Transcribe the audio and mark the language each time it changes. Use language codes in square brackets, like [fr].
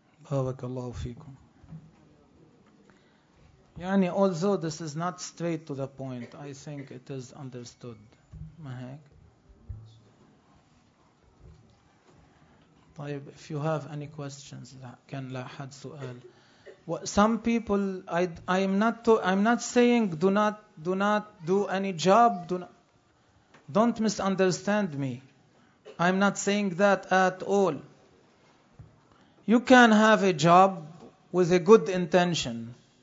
[ar] بارك الله فيكم. [en] يعني although this is not straight to the point, I think it is understood. [ar] ما هيك؟ طيب, [en] if you have any questions, [ar] كان لا حد سؤال. [en] Some people, I'm not saying do not do any job. Don't misunderstand me. I'm not saying that at all. You can have a job with a good intention.